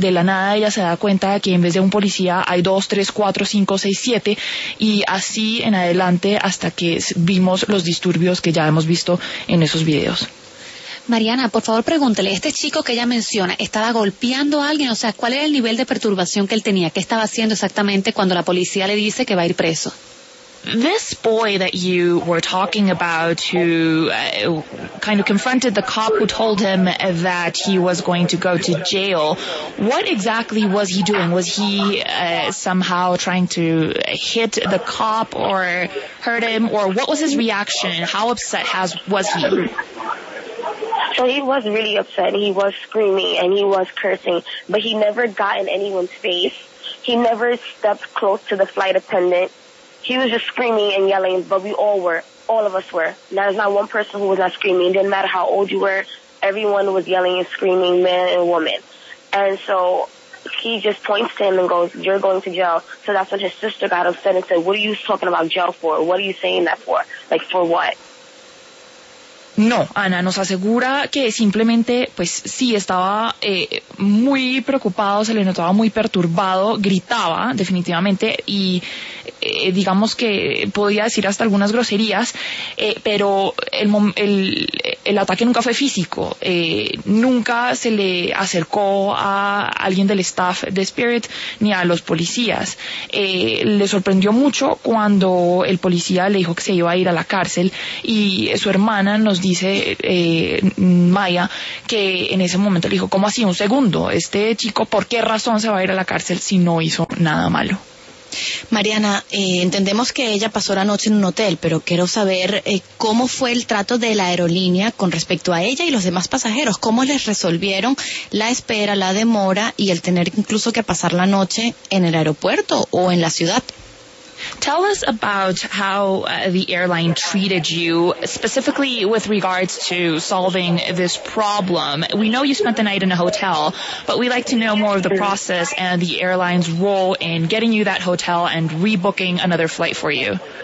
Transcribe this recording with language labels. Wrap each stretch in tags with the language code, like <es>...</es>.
<es>De la nada ella se da cuenta que en vez de un policía hay 2, 3, 4, 5, 6, 7, y así en adelante hasta que vimos los disturbios que ya hemos visto en esos videos. Mariana, por favor, pregúntele, este chico que ella menciona, ¿estaba golpeando a alguien? O sea, ¿cuál era el nivel de perturbación que él tenía? ¿Qué estaba haciendo exactamente cuando la policía le dice que va a ir preso?</es> <en>This boy that you were talking about who kind of confronted the cop who told him that he was going to go to jail, what exactly was he doing? Was he somehow trying to hit the cop or hurt him? Or what was his reaction? How upset was he? So he was really upset, and he was screaming, and he was cursing, but he never got in anyone's face. He never stepped close to the flight attendant. He was just screaming and yelling, but we all were. All of us were. Now, there's not one person who was not screaming. It didn't matter how old you were. Everyone was yelling and screaming, man and woman. And so he just points to him and goes, you're going to jail. So that's when his sister got upset and said, what are you talking about jail for? What are you saying that for? Like, for what?</en> <es>No, Ana, nos asegura que simplemente, pues sí, estaba muy preocupado, se le notaba muy perturbado, gritaba definitivamente y digamos que podía decir hasta algunas groserías, pero el ataque nunca fue físico, nunca se le acercó a alguien del staff de Spirit ni a los policías. Le sorprendió mucho cuando el policía le dijo que se iba a ir a la cárcel y su hermana nos dice, Maya, que en ese momento le dijo, ¿cómo así? Un segundo, este chico, ¿por qué razón se va a ir a la cárcel si no hizo nada malo? Mariana, entendemos que ella pasó la noche en un hotel, pero quiero saber cómo fue el trato de la aerolínea con respecto a ella y los demás pasajeros. ¿Cómo les resolvieron la espera, la demora y el tener incluso que pasar la noche en el aeropuerto o en la ciudad?</es> <en>Tell us about how the airline treated you, specifically with regards to solving this problem. We know you spent the night in a hotel, but we'd like to know more of the process and the airline's role in getting you that hotel and rebooking another flight for you.</en>